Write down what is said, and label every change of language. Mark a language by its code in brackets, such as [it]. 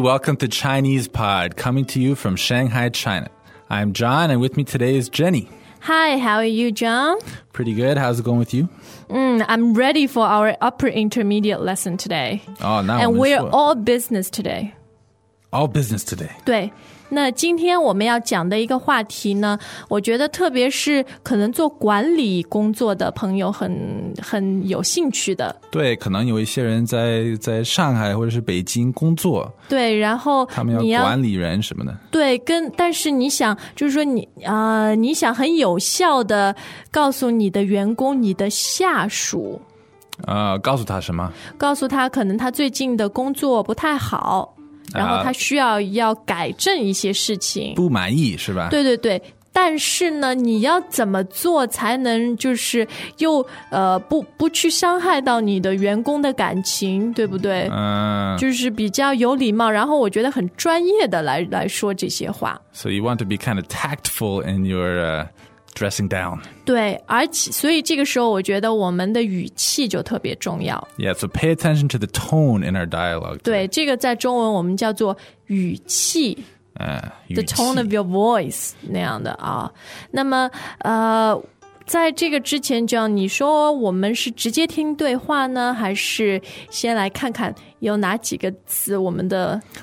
[en] Welcome to Chinese Pod, coming to you from Shanghai, China. I'm John, and with me today is Jenny. Hi, how are you, John? Pretty good. How's it going with you? I'm ready for our upper intermediate lesson today. Oh, now and we're all business today. All business today. [zh] 对。那今天我们要讲的一个话题呢，我觉得特别是可能做管理工作的朋友很有兴趣的。对，可能有一些人在上海或者是北京工作。对，然后他们要管理人什么的。对，但是你想，就是说你想很有效的告诉你的员工，你的下属。告诉他什么？告诉他可能他最近的工作不太好。然后他需要要改正一些事情，不满意是吧？对对对，但是呢，你要怎么做才能就是又不去伤害到你的员工的感情，对不对？就是比较有礼貌，然后我觉得很专业的来说这些话。 [en] So you want to be kind of tactful in your dressing down. [zh] 对，而且所以这个时候我觉得我们的语气就特别重要。 [en] Yeah, so pay attention to the tone in our dialogue. [zh] 对，这个在中文我们叫做语气。 [en] The tone of your voice, [zh] 那样的啊。那么在这个之前，John，你说我们是直接听对话呢，还是先来看看有哪几个词我们的。